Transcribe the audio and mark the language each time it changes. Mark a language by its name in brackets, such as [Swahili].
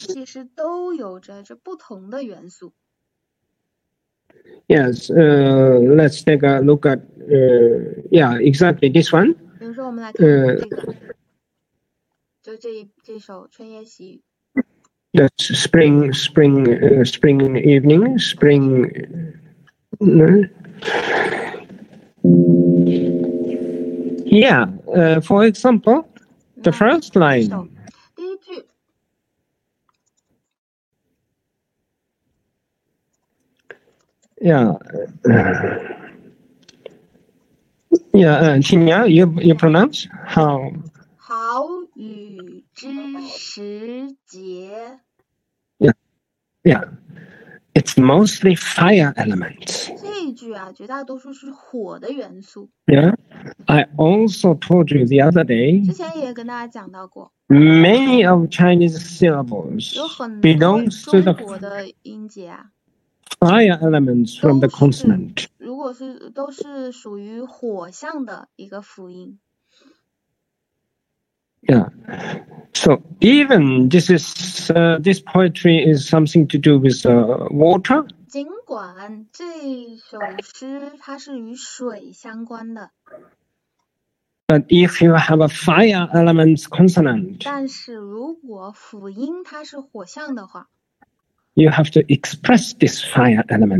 [Chinese] 其实都有着这不同的元素。 [English] Yes, let's take a look at, exactly this one. [Chinese] 比如说我们来看这个，这首《春夜喜雨》。 [English] That's spring evening, spring. For example, the first line. [Chinese] 第一句。青鸟， [English] you pronounce how? [Chinese] 好雨知时节。 [English] It's mostly fire elements. [Chinese] 这一句啊，绝大多数是火的元素。 [English] Yeah, I also told you the other day. [Chinese] 之前也跟大家讲到过。 [English] Many of Chinese syllables belongs to the [Chinese] 中国的音节啊。 [English] Fire elements from the consonant. [Chinese] 如果是都是属于火象的一个辅音。 [English] Yeah, so even this is this poetry is something to do with water. [Chinese] 尽管这首诗它是与水相关的。 [English] But if you have a fire elements consonant. [Chinese] 但是如果辅音它是火象的话。 [English] You have to express this fire element.